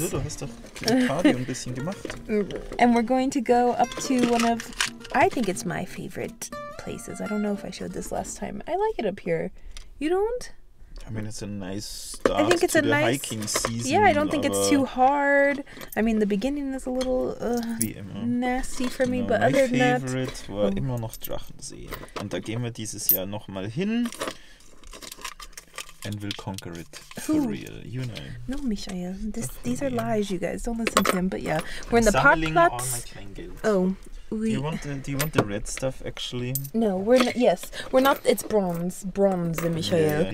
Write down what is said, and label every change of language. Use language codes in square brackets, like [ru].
[de] Wieso? Du hast doch Cardio ein bisschen gemacht. [en] And we're going to go up to one of, I think it's my favorite places. I don't know if I showed this last time. I like it up here. You don't? I mean, it's a nice start. I think it's to a nice hiking season. Yeah, I don't think it's too hard. I mean, the beginning is a little nasty for me, but other than that, my favorite [de] war immer noch Drachensee. Und da gehen wir dieses Jahr noch mal hin. [en] And we'll conquer it for real, you know. No, Michael, these are lies, you guys. Don't listen to him. But yeah, we're in the [de] Parkplatz. [en] Oh. Do you want the red stuff, actually? No, we're not, it's bronze, Michael. Yeah, yeah.